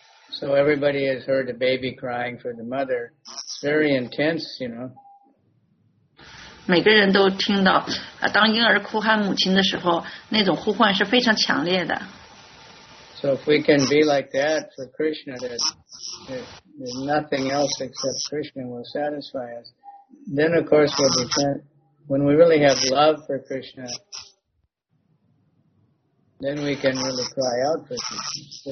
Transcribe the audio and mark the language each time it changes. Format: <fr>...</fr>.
<en>So everybody has heard the baby crying for the mother. It's very intense, you know.</en> <zh>每个人都听到，当婴儿哭喊母亲的时候，那种呼唤是非常强烈的。</zh> <en>So if we can be like that for Krishna, that nothing else except Krishna will satisfy us, then of course we'll be trying, when we really have love for Krishna, then we can really cry out for Krishna.</en>